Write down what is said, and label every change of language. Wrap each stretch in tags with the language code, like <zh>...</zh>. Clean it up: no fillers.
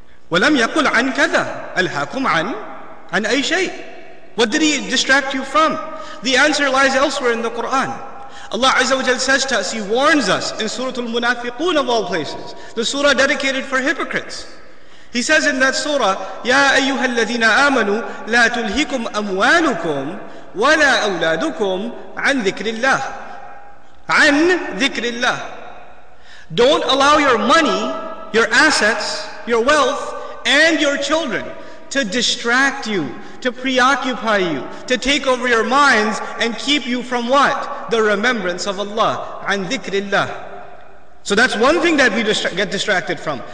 <ar>وَلَمْ يَقُلْ عَنْ كَذَا أَلْحَاكُمْ عَنْ أَيْ شَيْءٍ.</ar> <en>What did He distract you from? The answer lies elsewhere in the Qur'an. Allah Azza wa Jal says to us, He warns us in Surah Al-Munafiqoon of all places, the surah dedicated for hypocrites. He says in that surah,</en> <ar>يَا أَيُّهَا الَّذِينَ آمَنُوا لَا تُلْهِكُمْ أَمْوَالُكُمْ وَلَا أَوْلَادُكُمْ عَنْ ذِكْرِ اللَّهِ عَنْ ذِكْرِ اللَّهِ.</ar> <en>Don't allow your money, your assets, your wealth, and your children to distract you, to preoccupy you, to take over your minds and keep you from what? The remembrance of Allah,</en> <ar>عَنْ ذِكْرِ اللَّهِ.</ar> <en>So that's one thing that we get distracted from.</en>